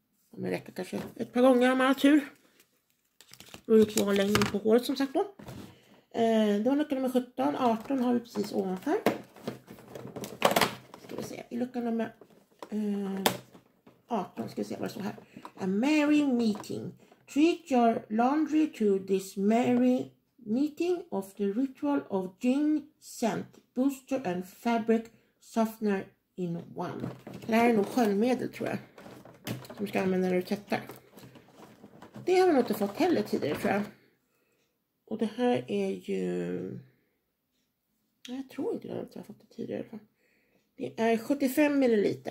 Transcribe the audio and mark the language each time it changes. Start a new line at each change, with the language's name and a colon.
Swedish: Det räcker kanske ett par gånger om man har tur. Det beror på hur länge på håret som sagt då. Det var lucka nummer 17. 18 har vi precis ovanför. Ska vi se. I lucka nummer 18 ska vi se vad det står här.
English: A Merry Meeting. Treat your laundry to this Merry Meeting of the Ritual of Gin Scent Booster and Fabric Softener in One.
Swedish: Det här är nog sköljmedel, tror jag. Som ska använda när du tättar. Det har vi nog inte fått heller tidigare, tror jag. Och det här är ju... Jag tror inte att jag har fått det tidigare. Det är 75 ml.